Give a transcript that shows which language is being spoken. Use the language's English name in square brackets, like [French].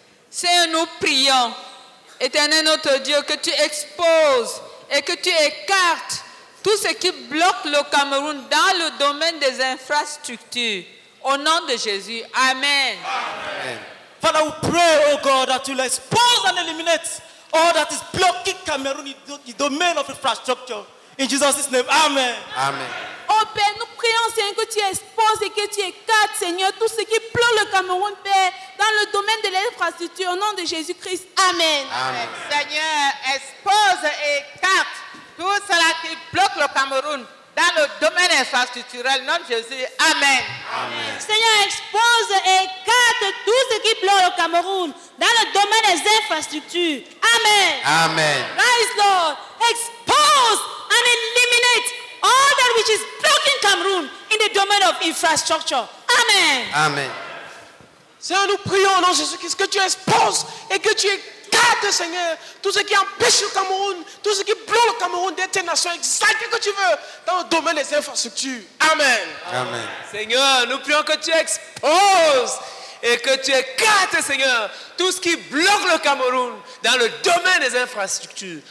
[French] Seigneur, nous prions, éternel notre Dieu, que tu exposes et que tu écartes tout ce qui bloque le Cameroun dans le domaine des infrastructures. Au nom de Jésus. Amen. Amen. [English] Father, we pray, oh God, that you expose and eliminate all that is blocking Cameroon in the domain of infrastructure. In Jesus' name. Amen. Amen. [French] Oh Père, nous prions, Seigneur, que tu exposes et que tu écartes, Seigneur, tout ce qui bloque le Cameroun, Père, dans le domaine de l'infrastructure. Au nom de Jésus-Christ. Amen. Amen. Seigneur, expose et écarte tout cela qui bloque le Cameroun dans le domaine infrastructurel, nom de Jésus. Amen. Amen. Seigneur, expose et écarte tout ce qui bloque le Cameroun dans le domaine des infrastructures. Amen. Amen. [English] Rise, Lord. Expose and eliminate all that which is blocking Cameroon in the domain of infrastructure. Amen. Amen. [French] Seigneur, nous prions au nom de Jésus-Christ que tu exposes et que tu écartes, Seigneur, tout ce qui empêche le Cameroun, tout ce qui bloque le Cameroun d'être une nation exacte que tu veux dans le domaine des infrastructures. Amen. Amen. Seigneur, nous prions que tu exposes et que tu écartes, Seigneur, tout ce qui bloque le Cameroun dans le domaine des infrastructures.